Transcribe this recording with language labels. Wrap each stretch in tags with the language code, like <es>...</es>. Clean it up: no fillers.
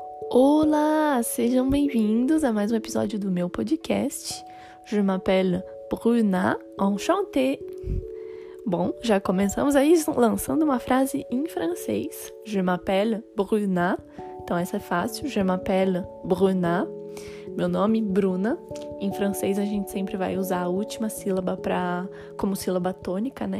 <pt>Olá, sejam bem-vindos a mais um episódio do meu podcast.</pt> <fr>Je m'appelle Bruna, enchantée.</fr> <pt>Bom, já começamos aí lançando uma frase em francês.</pt> <fr>Je m'appelle Bruna.</fr> <pt>Então, essa é fácil.</pt> <fr>Je m'appelle Bruna.</fr> <pt>Meu nome, Bruna. Em francês, a gente sempre vai usar a última sílaba como sílaba tônica, né?</pt>